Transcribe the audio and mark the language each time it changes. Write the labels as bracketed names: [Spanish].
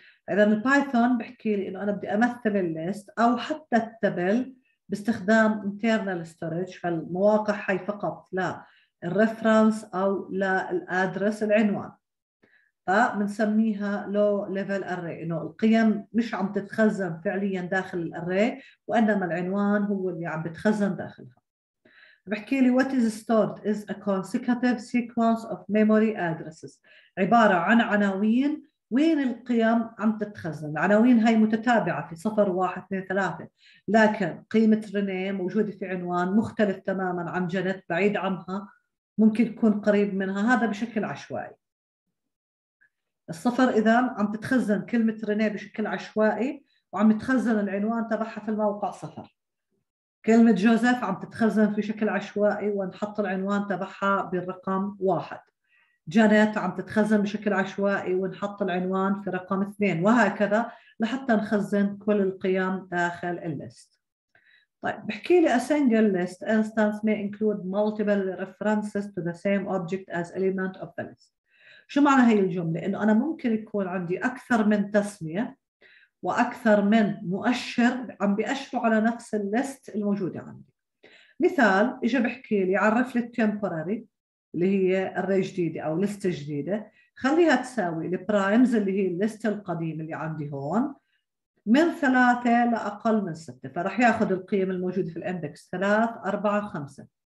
[Arabic] إذا البايثون بحكي لي إنه أنا بدي أمثل الليست أو حتى التبل باستخدام internal storage، فالمواقع هي فقط لا الريفرنس أو لا الأدرس العنوان، فمنسميها low level array، إنه القيم مش عم تتخزن فعليا داخل الأري وإنما العنوان هو اللي عم بتخزن داخلها. بحكي لي [English] what is stored is a consecutive sequence of memory addresses، [Arabic] عبارة عن عناوين وين القيم عم تتخزن. العناوين هاي متتابعة في 0 1 2 3، لكن قيمة رينيه موجودة في عنوان مختلف تماما عن جنت بعيد عنها، ممكن يكون قريب منها، هذا بشكل عشوائي. الصفر إذا عم تتخزن كلمة رينيه بشكل عشوائي وعم يتخزن العنوان تبعها في الموقع صفر، كلمة جوزيف عم تتخزن في شكل عشوائي ونحط العنوان تبعها بالرقم 1، جانيت عم تتخزن بشكل عشوائي ونحط العنوان في رقم 2، وهكذا لحتى نخزن كل القيم داخل الليست. طيب بحكي لي [English] a single list instance may include multiple references to the same object as element of the list. [Arabic] شو معنى هاي الجملة؟ إنه أنا ممكن يكون عندي أكثر من تسمية وأكثر من مؤشر عم بيأشروا على نفس الليست الموجودة عندي. مثال إجا بحكي لي عرف لي temporary اللي هي array جديدة أو list جديدة، خليها تساوي ال primes اللي هي الليست القديمة اللي عندي هون من 3 لأقل من 6، فرح يأخذ القيم الموجودة في الاندكس 3 4 5.